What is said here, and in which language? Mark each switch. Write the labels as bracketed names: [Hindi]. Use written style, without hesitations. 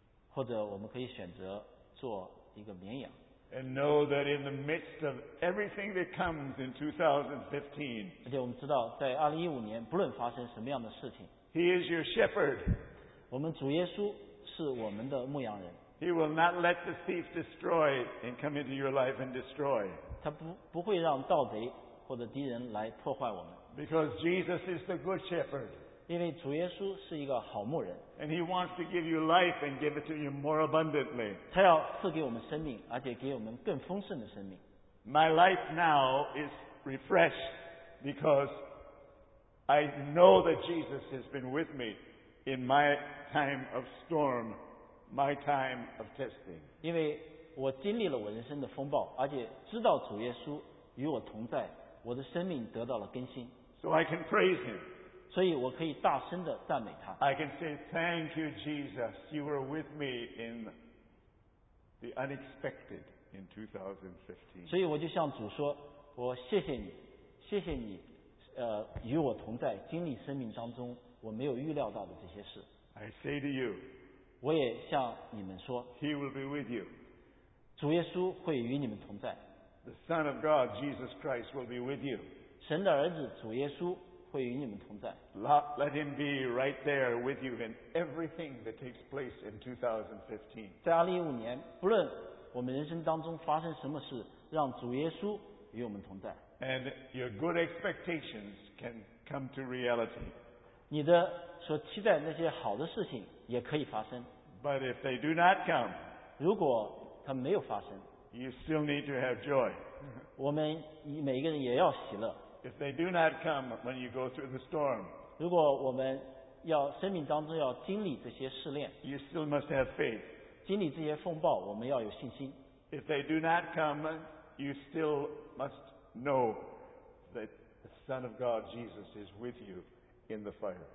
[Chinese] 或者我们可以选择做一个绵羊。 [English] And know that in the midst of everything that comes in 2015, [Chinese] 而且我们知道在2015年不论发生什么样的事情， [English] He is your shepherd. [Chinese] 我们主耶稣是我们的牧羊人。 [English] He will not let the thief destroy and come into your life and destroy. [Chinese] 他不会让盗贼或者敌人来破坏我们。 [English] Because Jesus is the good shepherd. [Chinese] 因为主耶稣是一个好牧人。 [English] And he wants to give you life and give it to you more abundantly. [Chinese] 他要赐给我们生命，而且给我们更丰盛的生命。 [English] My life now is refreshed because I know that Jesus has been with me in my time of storm, my time of testing. [Chinese] 因为我经历了我人生的风暴，而且知道主耶稣与我同在，我的生命得到了更新。 [English] So I can praise him. [Chinese] 所以我可以大声地赞美他。 [English] I can say thank you, Jesus. You were with me in the unexpected in 2015. [Chinese] 所以我就向主说，我谢谢你，谢谢你，与我同在，经历生命当中我没有预料到的这些事。 [English] I say to you, [Chinese] 我也向你们说 [English] ，He will be with you. [Chinese] 主耶稣会与你们同在。 [English] The Son of God, Jesus Christ, will be with you. [Chinese] 神的儿子主耶稣。会与你们同在。 [English] Let him be right there with you in everything that takes place in 2015. [Chinese] 在2015年，不论我们人生当中发生什么事，让主耶稣与我们同在。 [English] And your good expectations can come to reality. [Chinese] 你的所期待那些好的事情也可以发生。 [English] But if they do not come, [Chinese] 如果它没有发生， [English] you still need to have joy. [Chinese] 我们每一个人也要喜乐。 [English] If they do not come when you go through the storm, [Chinese] 如果我们要生命当中要经历这些试炼， [English] you still must have faith. [Chinese] 经历这些风暴，我们要有信心。 [English] If they do not come, you still must know that the Son of God Jesus is with you in the fire.